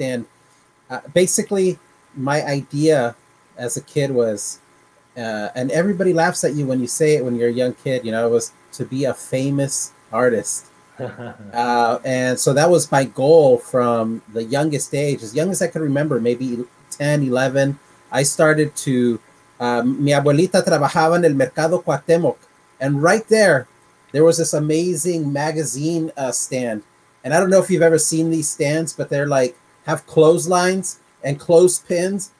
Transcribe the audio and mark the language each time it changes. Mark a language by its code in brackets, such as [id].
[en] And basically, my idea as a kid was, and everybody laughs at you when you say it when you're a young kid, it was to be a famous artist. And so that was my goal from the youngest age, as young as I could remember, maybe 10, 11. I started to, [es] mi abuelita trabajaba en el mercado Cuauhtémoc. [en] And right there was this amazing magazine stand. And I don't know if you've ever seen these stands, but they're like, have clotheslines and clothespins.